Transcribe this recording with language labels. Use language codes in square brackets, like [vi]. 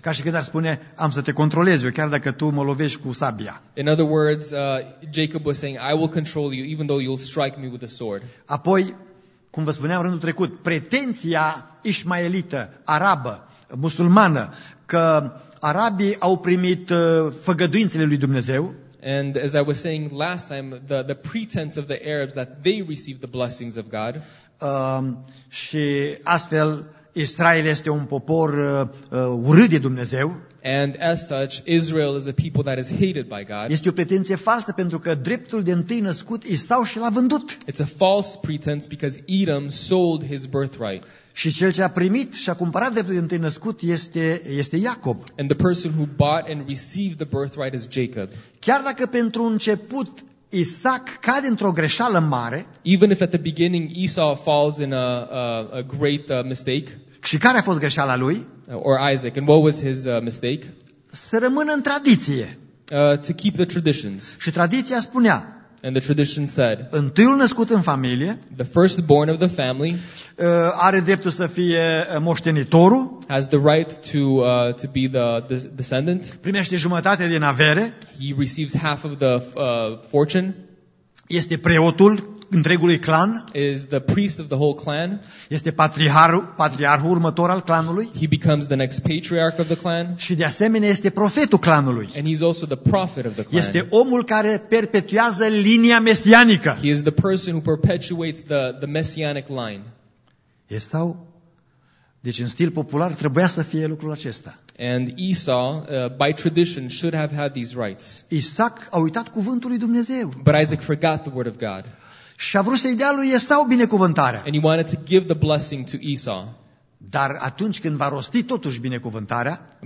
[ro] Ca și când ar spune, am să te controlez eu, chiar dacă tu mă lovești cu sabia. [en] In other words, Jacob was saying, I will control you even though you'll strike me with a sword. [ro] Apoi, cum vă spuneam rândul trecut, pretenția ismaelită, arabă, musulmană, că arabii au primit făgăduințele lui Dumnezeu. [en] And as I was saying last time, the pretense of the Arabs that they received the blessings of God. [ro] Și astfel Israel este un popor urât de Dumnezeu. [en] And as such, Israel is a people that is hated by God. [ro] Este o pretenție falsă pentru că dreptul de întâi născut Esau și l-a vândut. [en] It's a false pretense because Edom sold his birthright. [ro] Și cel ce a primit și a cumpărat dreptul de întâi născut este Iacob. [en] And the person who bought and received the birthright is Jacob. [ro] Chiar dacă pentru început Isaac cade într-o greșeală mare. [en] Even if at the beginning Esau falls in a great mistake. [ro] Și care a fost greșeala lui? [en] Or Isaac, and what was his mistake? [ro] Să rămână în tradiție. [en] To keep the traditions. [ro] Și tradiția spunea. [en] And the tradition said. [ro] Întâiul născut în familie. [en] The firstborn of the family. [ro] Are dreptul să fie moștenitorul. [en] Has the right to be the descendant. [ro] Primește jumătate din avere. [en] He receives half of the fortune. [ro] Este preotul întregului clan. [en] Is the priest of the whole clan. [ro] Este patriarhul următor al clanului. [en] He becomes the next patriarch of the clan. [ro] Și de asemenea este profetul clanului. [en] And he's also the prophet of the clan. [ro] Este omul care perpetuează linia mesianică. [en] He is the person who perpetuates the messianic line. [ro] Esau, deci în stil popular trebuia să fie lucrul acesta. [en] And Esau, by tradition, should have had these rights. [ro] Isaac a uitat cuvântul lui Dumnezeu. [en] But Isaac forgot the word of God. [ro] Și a vrut să-i dea lui Esau binecuvântarea. [en] And he wanted to give the blessing to Esau. [ro] Dar atunci când va rosti totuși binecuvântarea,